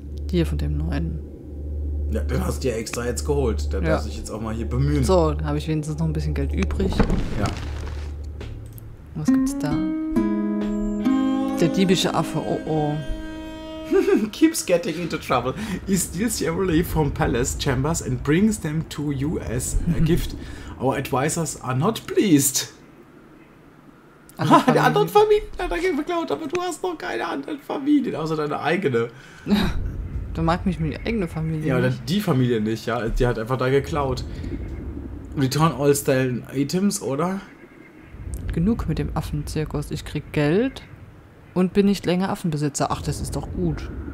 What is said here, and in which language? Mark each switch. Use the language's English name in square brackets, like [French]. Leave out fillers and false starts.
[German] Hier von dem Neuen. Ja, den hast du ja extra jetzt geholt. Da darf sich jetzt auch mal hier bemühen. So, dann habe ich wenigstens noch ein bisschen Geld übrig. Ja. Was gibt's da? Der diebische Affe, oh oh. [English] Keeps getting into trouble. He steals Chevrolet from Palace Chambers and brings them to you as a gift. Our advisors are not pleased. [German] Der anderen Familien hat er geklaut, aber du hast noch keine anderen Familien, außer deine eigene. Du magst mich mit der eigenen Familie ja, nicht. Ja, die Familie nicht, ja. Die hat einfach da geklaut. [English] Return all stolen items, [German] oder? Genug mit dem Affenzirkus. Ich krieg Geld und bin nicht länger Affenbesitzer. Ach, das ist doch gut.